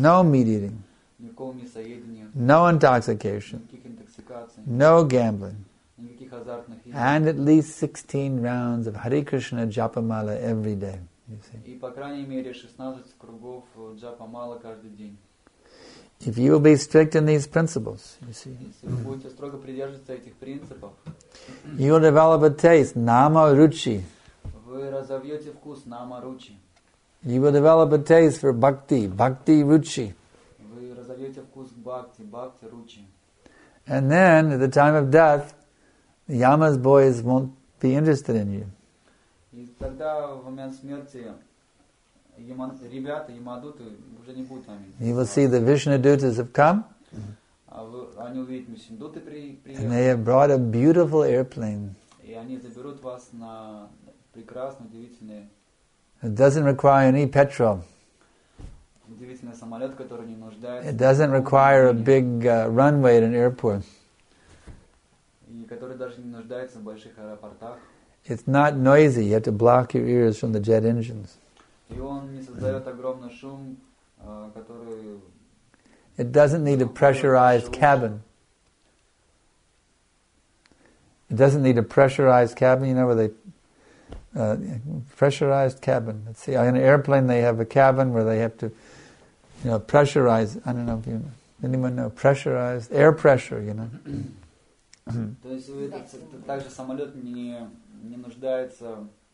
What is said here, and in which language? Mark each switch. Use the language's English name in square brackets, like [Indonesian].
[English] No meat eating. [Russian] Никакого мясоедения. [English] No intoxication. [Russian] Никаких интоксикаций. [English] No gambling. [Russian] Никаких азартных игр. [English] And at least 16 rounds of Hare Krishna Japa Mala every day. You see. [Russian] И по крайней мере 16 кругов Джапа Мала каждый день. [English] If you will be strict in these principles, you see. [Russian] Если вы будете строго придерживаться этих принципов, [English] you will develop a taste, nama ruchi. [Russian] Вы разовьете вкус, nama ruchi. [English] You will develop a taste for bhakti, bhakti ruchi. [Russian] Вы разовьете вкус к bhakti, bhakti ruchi. [English] And then, at the time of death, the yama's boys won't be interested in you. [Russian] И тогда в момент смерти ребята, ямадуты уже не будут вами. [English] You will see the Vishnudutas have come. [Russian] Они увидят Мишиндуты приехали. [English] And they have brought a beautiful airplane. [Russian] И они заберут вас на прекрасный, удивительный. [English] It doesn't require any petrol. [Russian] Удивительный самолет, который не нуждается. [English] It doesn't require a big runway at an airport. [Russian] И который даже не нуждается в больших аэропортах. [English] It's not noisy. You have to block your ears from the jet engines. [Russian] И он не создает огромный шум, который. [English] It doesn't need a pressurized cabin. It doesn't need a pressurized cabin. You know where they pressurized cabin. Let's see. On an airplane, they have a cabin where they have to, you know, pressurize. I don't know if you anyone know pressurized air pressure. You know. [Russian] То есть это также самолет не нуждается.